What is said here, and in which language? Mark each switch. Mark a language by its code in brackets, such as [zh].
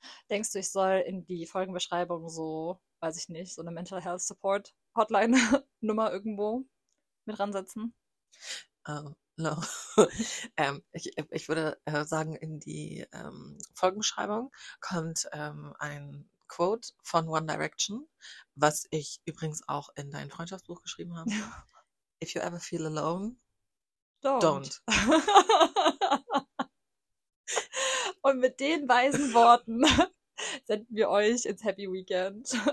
[de] Denkst du, ich soll in die Folgenbeschreibung so, weiß ich nicht, so eine Mental Health Support Hotline Nummer irgendwo mit ransetzen? [en] No. [de] ich würde sagen, in die Folgenbeschreibung kommt ein Quote von One Direction, was ich übrigens auch in dein Freundschaftsbuch geschrieben habe. [en] If you ever feel alone, don't. [de] Und mit den weisen Worten senden wir euch ins Happy Weekend.